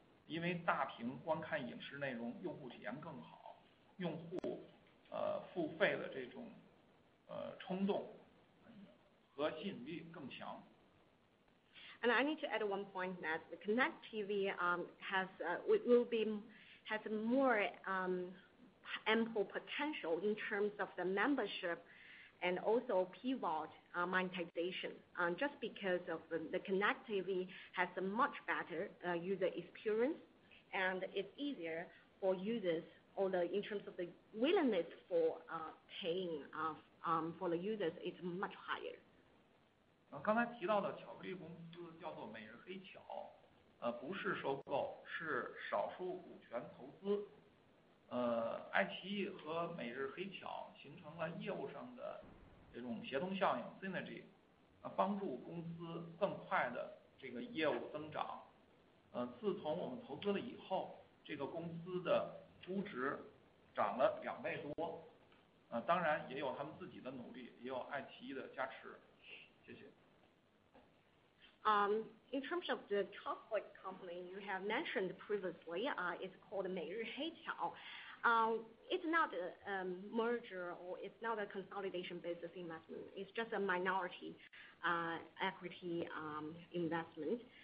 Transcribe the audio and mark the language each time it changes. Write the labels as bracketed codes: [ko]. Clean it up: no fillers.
[zh] 因为大屏观看影视内容用户体验更好，用户付费的这种冲动和吸引力更强。 [en] And I need to add one point that the Connect TV has more ample potential in terms of the membership and also pivot monetization, just because of the Connect TV has a much better user experience, and it's easier for users, although in terms of the willingness for paying for the users, it's much higher. [zh] 刚才提到的巧克力公司叫做每日黑巧，不是收购，是少数股权投资。爱奇艺和每日黑巧形成了业务上的这种协同效应 synergy， 帮助公司更快的这个业务增长。自从我们投资了以后，这个公司的估值涨了2倍多。当然也有他们自己的努力，也有爱奇艺的加持。谢谢。 [en] In terms of the chocolate company you have mentioned previously, it's called 每日黑巧. It's not a merger or it's not a consolidation business investment. It's just a minority equity investment.